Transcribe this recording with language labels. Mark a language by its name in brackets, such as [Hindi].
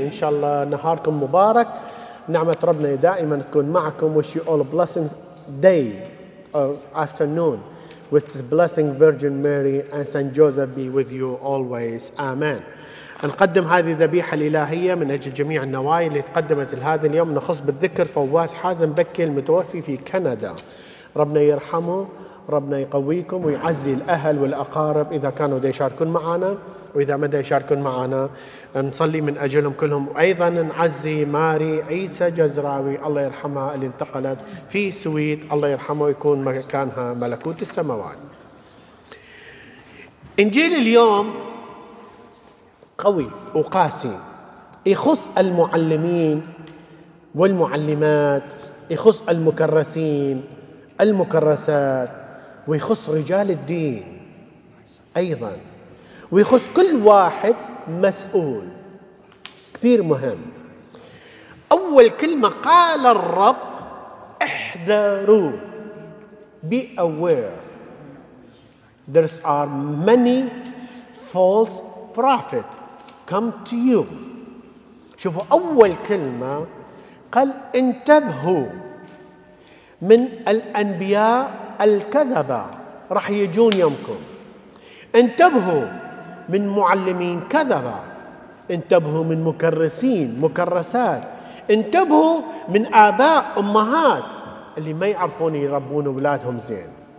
[Arabic] ان شاء الله نهاركم مبارك. نعمه ربنا دائما تكون معكم. [English] Wish you all blessings day or afternoon with the blessing Virgin Mary and Saint Joseph be with you always. [Arabic] امين. نقدم هذه الذبيحه الالهيه من اجل جميع النوايا اللي تقدمت لهذا اليوم. نخص بالذكر فواز حازم بكي المتوفي في كندا. ربنا يرحمه، ربنا يقويكم ويعزي الأهل والأقارب إذا كانوا دا يشاركون معنا، وإذا ما دا يشاركون معنا نصلي من أجلهم كلهم. أيضا نعزي ماري عيسى جزراوي الله يرحمها اللي انتقلت في سويد، الله يرحمه ويكون مكانها ملكوت السماوات. إنجيل اليوم قوي وقاسي، يخص المعلمين والمعلمات، يخص المكرسين المكرسات، ويخص رجال الدين أيضا، ويخص كل واحد مسؤول. كثير مهم. أول كلمة قال الرب احذروا. [English] Be aware. There are many false prophets come to you. [Arabic] شوفوا أول كلمة قال انتبهوا من الأنبياء الكذبة، رح يجون يومكم. انتبهوا من معلمين كذبة، انتبهوا من مكرسين مكرسات، انتبهوا من آباء أمهات اللي ما يعرفون يربون أولادهم زين.